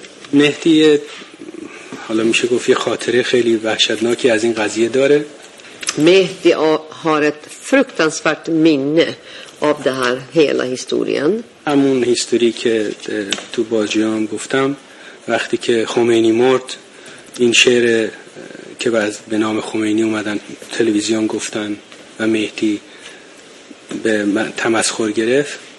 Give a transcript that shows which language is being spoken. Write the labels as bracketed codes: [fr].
[fa] Mehdi حالا میشه گفت یه خاطره خیلی وحشتناکی از این قضیه داره. [sv] مهدی har ett fruktansvärt minne av det här hela historien. [fa] همون هیستوری که تو باجیان گفتم وقتی که خمینی مرد این شعر که باز به نام خمینی اومدن تلویزیون گفتن و مهدی به تمسخر گرفت.